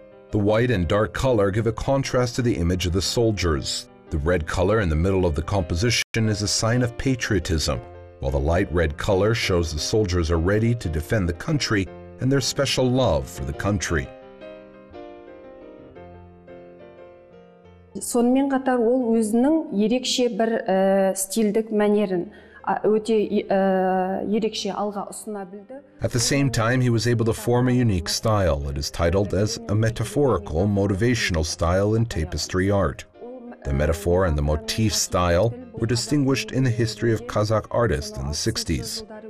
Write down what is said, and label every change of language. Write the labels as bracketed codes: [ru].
[en] The white and dark color give a contrast to the image of the soldiers. The red color in the middle of the composition is a sign of patriotism, while the light red color shows the soldiers are ready to defend the country and their special love for the country. [kk] Сонымен қатар ол өзінің ерекше бір стильдік мәнерін өте ерекше алға ұсына білді. [en] At the same time, he was able to form a unique style. It is titled as a metaphorical motivational style in tapestry art. The metaphor and the motif style were distinguished in the history of Kazakh artists in the 60s.